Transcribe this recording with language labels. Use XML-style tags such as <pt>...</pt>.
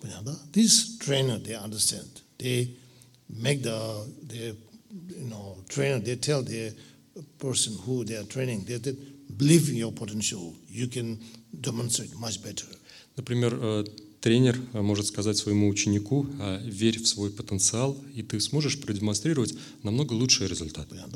<ru>Понятно? Да?</ru> <en>This trainer, they understand. They make the you know, trainer, they tell the person who they are training, they believe in your potential, you can demonstrate much better.</en> <ru>Например, тренер может сказать своему ученику: верь в свой потенциал, и ты сможешь продемонстрировать намного лучший результат.</ru>